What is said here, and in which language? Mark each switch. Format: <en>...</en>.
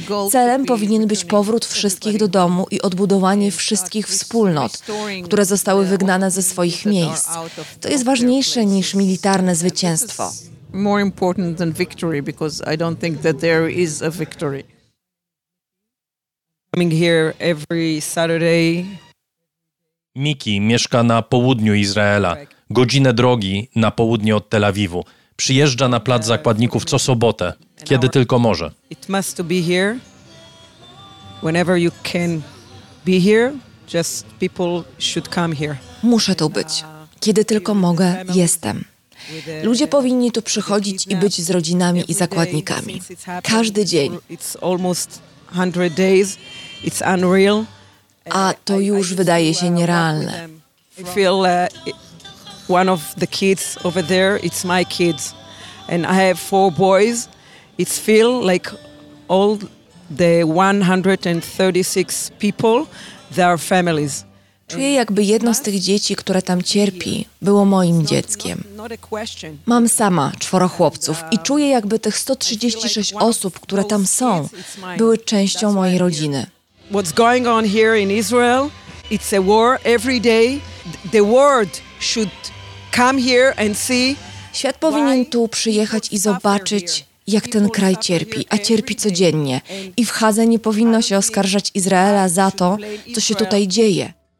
<pl>Celem powinien być powrót wszystkich do domu i odbudowanie wszystkich wspólnot, które zostały wygnane ze swoich miejsc. To jest ważniejsze niż militarne zwycięstwo.</pl> <en>More important than victory, because I don't think that there is a victory. Coming here every Saturday.</en> <pl>Miki mieszka na południu Izraela, godzinę drogi na południe od Tel Awiwu. Przyjeżdża na plac zakładników co sobotę, kiedy tylko może.</pl> <en>It must be here. Whenever you can be here, just people should come here.</en> <pl>Muszę tu być. Kiedy tylko mogę, jestem. Ludzie powinni tu przychodzić i być z rodzinami i zakładnikami. Każdy dzień.</pl> <en>It's almost 100 days. It's unreal.</en> <pl>A to już wydaje się nierealne.</pl> <en>I feel one of the kids over there, it's my kids. And I have 4 boys. It's feel like all the 136 people, they are families.</en> <pl>Czuję, jakby jedno z tych dzieci, które tam cierpi, było moim dzieckiem. Mam sama 4 chłopców i czuję, jakby tych 136 osób, które tam są, były częścią mojej rodziny.</pl> <en>What's going on here in Israel It's a war every day. The world should come here and see.</en> <pl>Świat powinien tu przyjechać i zobaczyć, jak ten kraj cierpi, a cierpi codziennie. I w Hadze nie powinno się oskarżać Izraela za to, co się tutaj dzieje.</pl>